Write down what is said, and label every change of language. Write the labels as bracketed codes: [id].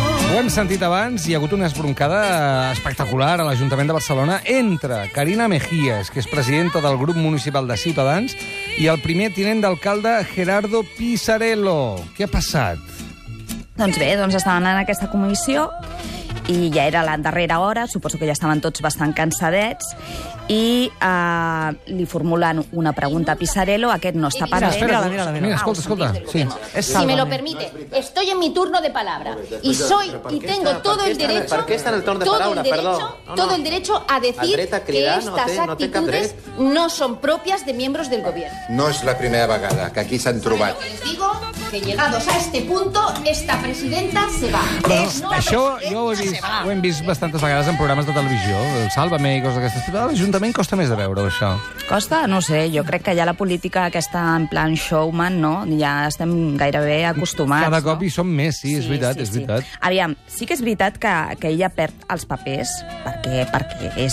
[ca] Ho hem sentit abans, hi ha hagut una esbroncada espectacular a l'Ajuntament de Barcelona entre Karina Mejías, que és presidenta del grup municipal de Ciutadans, i el primer tinent d'alcalde, Gerardo Pisarello. Què ha passat? Doncs bé, doncs estaven en aquesta comissió i ja era la darrera hora, suposo que ja estaven tots bastant cansadets, i li formulen una pregunta a Pisarello. Aquest no està parlant. Mira, escolta. Sí. [es] Si me lo permite, estoy en mi turno de palabra. Y soy, y tengo todo el derecho, a decir que estas actitudes no son propias de miembros del gobierno. [ca] No es la primera vegada que aquí s'han trobat. [es] Les digo que llegados a este punto, esta presidenta se va. [ca] Això jo ho hem vist bastantes vegades en programes de televisió. Sálvame i coses d'aquestes. L'Ajuntament costa més de veure-ho, això. Costa? No sé, jo crec que ja la política aquesta en plan showman, no? Ja estem gairebé acostumats. Cada cop hi som més, sí, és veritat, és veritat. Aviam, sí que és veritat que ella perd els papers, perquè és...